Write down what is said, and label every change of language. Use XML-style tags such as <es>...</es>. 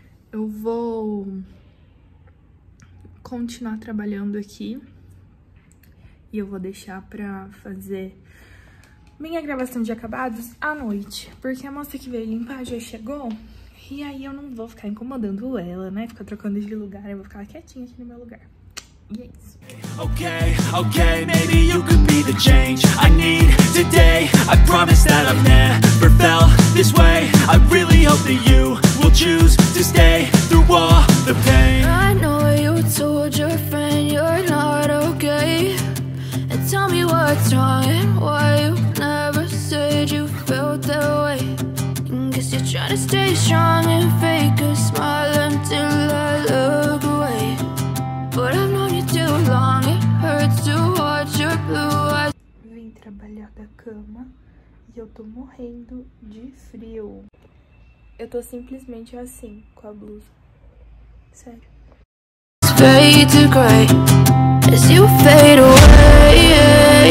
<pt>Eu vou continuar trabalhando aqui. E eu vou deixar pra fazer minha gravação de acabados à noite. Porque a moça que veio limpar já chegou. E aí eu não vou ficar incomodando ela, né? Ficar trocando de lugar. Eu vou ficar quietinha aqui no meu lugar. E é isso.</pt> <en>Ok, ok, maybe you could be the change I need today. I promise that I've never felt this way. I really hope that you will choose to stay through all the pain. I know you told your friend you're not okay. Tell me what's wrong and why you never said you felt that way. Guess you're trying to stay strong and fake a smile until I look away. But I've known you too long, it hurts to watch your blue eyes.</en> <pt>Vim trabalhar da cama e eu tô morrendo de frio. Eu tô simplesmente assim com a blusa. Sério.</pt> <en>Fade to gray as you fade away.</en>